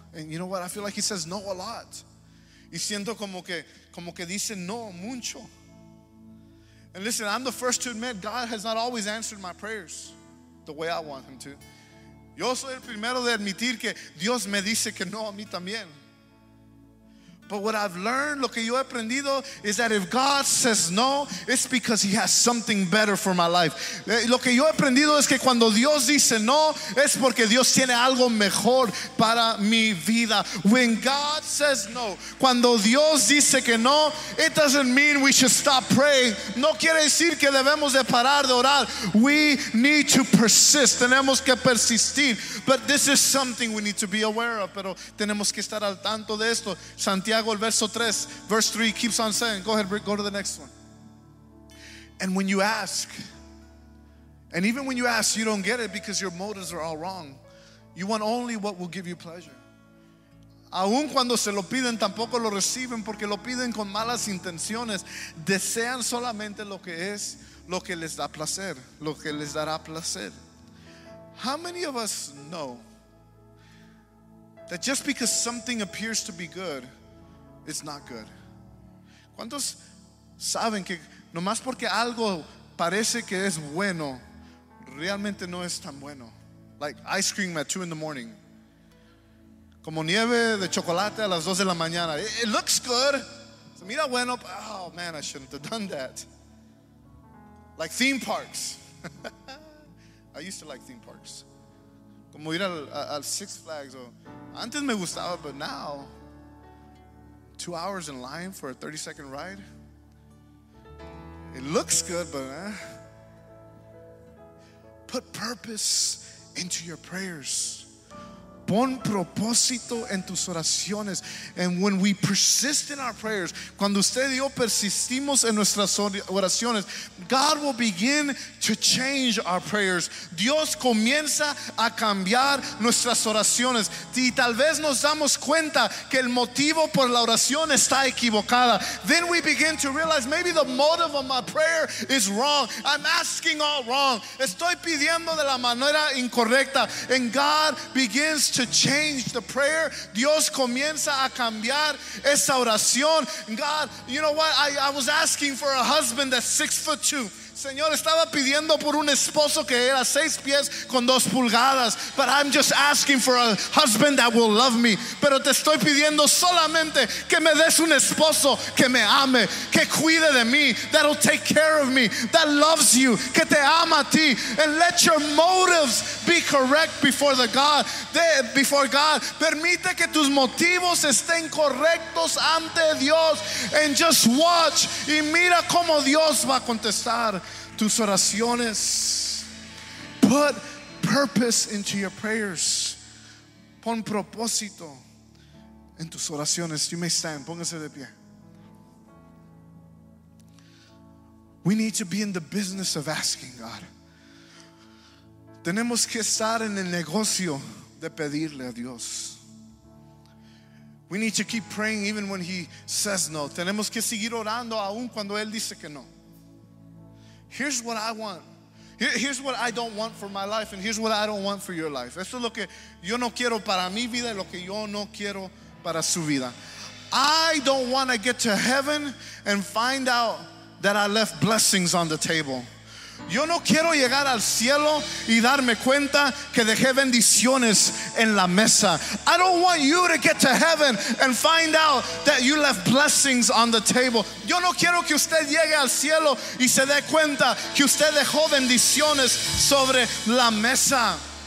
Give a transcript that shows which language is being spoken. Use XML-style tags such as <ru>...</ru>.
<en>And you know what? I feel like he says no a lot.</en> <es>Y siento como que dice no mucho.</es> <en>And listen, I'm the first to admit God has not always answered my prayers the way I want him to.</en> <es>Yo soy el primero de admitir que Dios me dice que no a mí también.</es> <en>But what I've learned,</en> <es>lo que yo he aprendido,</es> <en>is that if God says no, it's because he has something better for my life.</en> <es>Lo que yo he aprendido es que cuando Dios dice no, es porque Dios tiene algo mejor para mi vida.</es> <en>When God says no,</en> <es>cuando Dios dice que no,</es> <en>it doesn't mean we should stop praying.</en> <es>No quiere decir que debemos de parar de orar.</es> <en>We need to persist.</en> <es>Tenemos que persistir.</es> <en>But this is something we need to be aware of.</en> <es>Pero tenemos que estar al tanto de esto.</es> <en>Santiago,</en> <es>el verso 3,</es> <en>verse 3 keeps on saying, go ahead, go to the next one. And when you ask, and even when you ask, you don't get it because your motives are all wrong. You want only what will give you pleasure.</en> <es>Aun cuando se lo piden, tampoco lo reciben porque lo piden con malas intenciones. Desean solamente lo que es, lo que les da placer, lo que les dará placer.</es> <en>How many of us know that just because something appears to be good, it's not good?</en> <es>¿Cuántos saben que nomás porque algo parece que es bueno, realmente no es tan bueno?</es> <en>Like ice cream at 2 in the morning.</en> <es>Como nieve de chocolate a las 2 de la mañana.</es> <en>It looks good.</en> <es>Mira bueno,</es> <en>oh man, I shouldn't have done that. Like theme parks. I used to like theme parks.</en> <es>Como ir al Six Flags. Antes me gustaba,</es> <en>but now, 2 hours in line for a 30-second ride. It looks good, but put purpose into your prayers.</en> <es>Pon propósito en tus oraciones.</es> <en>And when we persist in our prayers,</en> <es>cuando usted y yo persistimos en nuestras oraciones,</es> <en>God will begin to change our prayers.</en> <es>Dios comienza a cambiar nuestras oraciones. Y tal vez nos damos cuenta que el motivo por la oración está equivocada.</es> <en>Then we begin to realize maybe the motive of my prayer is wrong. I'm asking all wrong.</en> <es>Estoy pidiendo de la manera incorrecta.</es> <en>And God begins to change the prayer.</en> <es>Dios comienza a cambiar esa oración.</es> <en>God, you know what? I was asking for a husband that's 6'2".</en> <es>Señor, estaba pidiendo por un esposo que era 6 pies con 2 pulgadas.</es> <en>But I'm just asking for a husband that will love me.</en> <es>Pero te estoy pidiendo solamente que me des un esposo que me ame, que cuide de mí,</es> <en>that'll take care of me, that loves you,</en> <es>que te ama a ti.</es> <en>And let your motives be correct before the God, before God.</en> <es>Permite que tus motivos estén correctos ante Dios.</es> <en>And just watch.</en> <es>Y mira cómo Dios va a contestar tus oraciones.</es> <en>Put purpose into your prayers.</en> <es>Pon propósito en tus oraciones.</es> <en>You may stand.</en> <es>Póngase de pie.</es> <en>We need to be in the business of asking God.</en> <es>Tenemos que estar en el negocio de pedirle a Dios.</es> <en>We need to keep praying even when he says no.</en> <es>Tenemos que seguir orando aún cuando él dice que no.</es> <en>Here's what I want. Here's what I don't want for my life, and here's what I don't want for your life.</en> <es>Esto es lo que yo no quiero para mi vida y lo que yo no quiero para su vida.</es> <en>I don't want to get to heaven and find out that I left blessings on the table.</en> <es>Yo no quiero llegar al cielo y darme cuenta que dejé bendiciones en la mesa.</es> <en>I don't want you to get to heaven and find out that you left blessings on the table.</en> <es>Yo no quiero que usted llegue al cielo y se dé cuenta que usted dejó bendiciones sobre la mesa.</es>